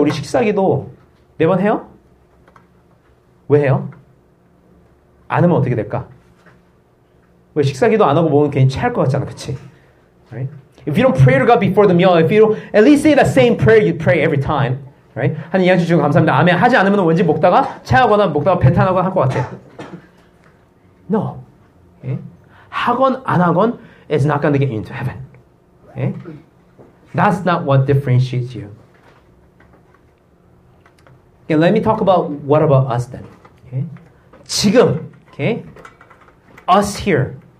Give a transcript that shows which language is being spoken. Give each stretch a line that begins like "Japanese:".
Korean: 우리 식사기도 매번 해요? 왜 해요? 안 하면 어떻게 될까? 왜 식사기도 안 하고 먹으면 괜히 체할 것 같잖아, 그치?
English: Right? If you don't pray to God before the meal, if you don't at least say the same prayer you pray every time, right?
Korean: 하나님 이해해 주시고 감사합니다. 아멘. 하지 않으면 왠지 먹다가 체하거나 먹다가 배탈하거나 할 것 같아.
English: No. Okay?
Korean: 하건 안 하건
English: it's not going to get you into heaven. Okay? That's not what differentiates you. Okay, let me talk about what about us then. Okay? 지금, okay? Us here,